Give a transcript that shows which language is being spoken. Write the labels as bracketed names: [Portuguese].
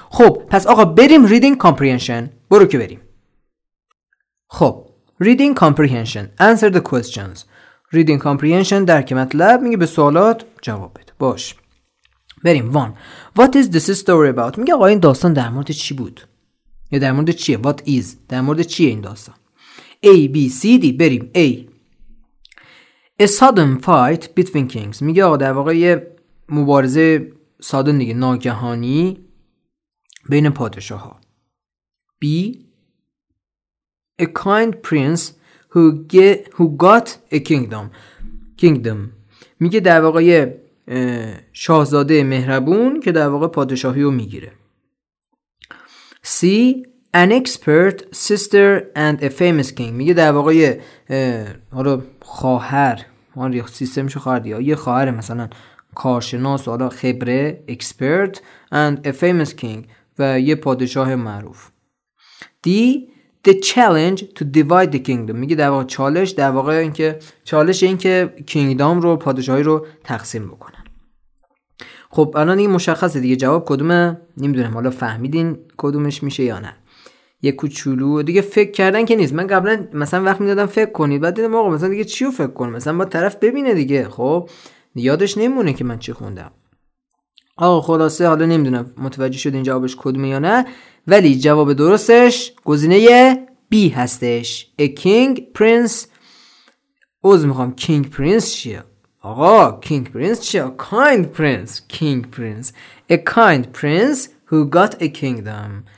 [Persian] خب پس آقا بریم reading comprehension، برو که بریم. خب [English] reading comprehension answer the questions، [Persian] reading comprehension درک مطلب، میگه به سوالات جواب بده. باش بریم. 1. [English] What is this story about؟ [Persian] میگه آقا این داستان در مورد چی بود یا در مورد چیه؟ What is؟ در مورد چیه این داستان؟ A B C D. بریم A. [English] A sudden fight between kings. [Persian] میگه آقا در واقع یه مبارزه سادن دیگه، ناگهانی بین پادشاه ها. [English] B. A kind prince who got a kingdom. [Persian] Kingdom میگه در واقع یه شاهزاده مهربون که در واقع پادشاهی رو میگیره. [English] C. An expert sister and a famous king. [Persian] میگه در واقع یه خواهر، اون ریخ سیستمشو خواهد یا یه خواهر مثلا کارشناس و خبره، [English] expert and a famous king [Persian] و یه پادشاه معروف. [English] D. The challenge to divide the kingdom. [Persian] میگه در واقع چالش، در واقع اینکه چالش اینکه کینگدام رو، پادشاهی رو تقسیم بکنن. خب الان این مشخصه دیگه جواب کدومه، نمیدونم حالا فهمیدین کدومش میشه یا نه. یه کوچولو دیگه فکر کردن که نیست، من قبلا مثلا وقت میدادم فکر کنید، بعد دیدم آقا مثلا دیگه چی رو فکر کنم، مثلا با طرف ببینه دیگه، خب یادش نمونه که من چی خوندم. آقا خلاصه حالا نمیدونم متوجه شد این جوابش کدومه یا نه، ولی جواب درستش گزینه B هستش. [English] A king prince. [Persian] عذر میخوام، king prince چیه آقا؟ king prince چیه؟ kind prince. king prince. [English] A kind prince who got a kingdom.